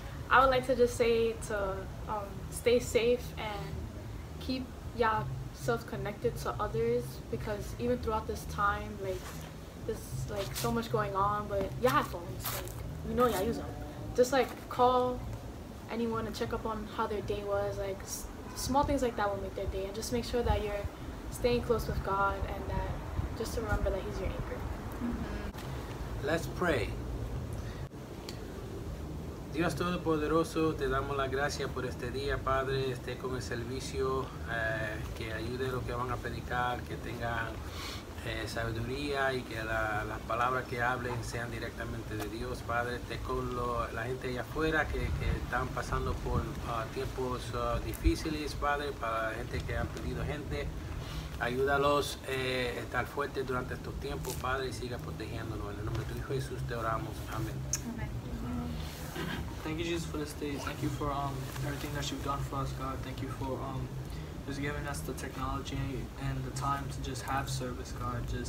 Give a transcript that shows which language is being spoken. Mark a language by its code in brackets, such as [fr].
[en] I would like to just say to stay safe and keep y'allself connected to others, because even throughout this time, like, there's like so much going on, but y'all have phones, like, you know y'all use them. Just like call anyone and check up on how their day was, like small things like that will make their day, and just make sure that you're staying close with God and that just to remember that He's your anchor. Mm-hmm. Let's pray. [es] Dios Todopoderoso, te damos las gracias por este día, Padre. Esté con el servicio, que ayude a los que van a predicar, que tengan sabiduría y que las palabras que hablen sean directamente de Dios, Padre. Esté con la gente allá afuera que están pasando por tiempos difíciles, Padre, para la gente que han perdido gente. Ayúdalos a estar fuertes durante estos tiempos, Padre, y siga protegiéndonos. En el nombre de tu Hijo Jesús te oramos. Amén. [en] Thank you, Jesus, for this day. Thank you for everything that you've done for us, God. Thank you for just giving us the technology and the time to just have service, God.